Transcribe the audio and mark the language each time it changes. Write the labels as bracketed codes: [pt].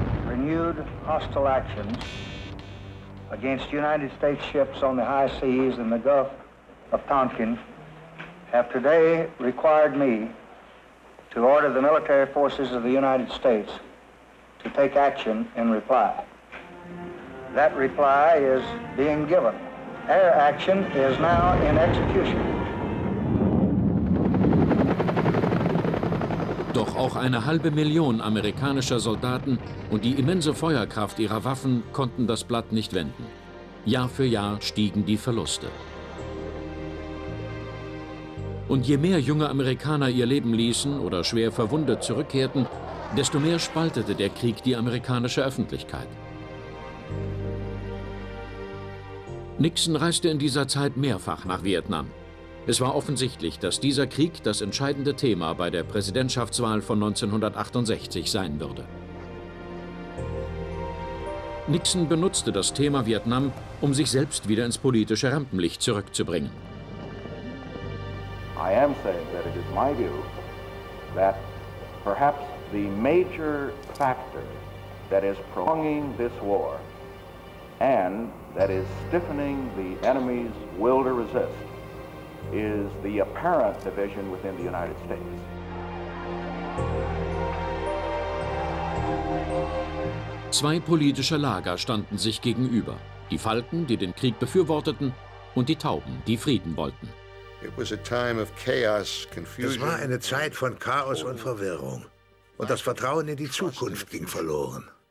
[en] Renewed hostile actions against United States ships on the high seas in the Gulf of Tonkin have today required me to order the military forces of the United States to take action in reply. That reply is being given. Air action is now in execution. [de] Doch auch eine halbe Million amerikanischer Soldaten und die immense Feuerkraft ihrer Waffen konnten das Blatt nicht wenden. Jahr für Jahr stiegen die Verluste. Und je mehr junge Amerikaner ihr Leben ließen oder schwer verwundet zurückkehrten, desto mehr spaltete der Krieg die amerikanische Öffentlichkeit. Nixon reiste in dieser Zeit mehrfach nach Vietnam. Es war offensichtlich, dass dieser Krieg das entscheidende Thema bei der Präsidentschaftswahl von 1968 sein würde. Nixon benutzte das Thema Vietnam, um sich selbst wieder ins politische Rampenlicht zurückzubringen. [en] I am saying that it is my view that perhaps the major factor that is prolonging this war and that is stiffening the enemy's will to resist is the apparent division within the United States. [de] Zwei politische Lager standen sich gegenüber. Die Falken, die den Krieg befürworteten, und die Tauben, die Frieden wollten. [en] It was a time of chaos, confusion. [de] Es war eine Zeit von Chaos und Verwirrung. Und das Vertrauen in die Zukunft ging verloren.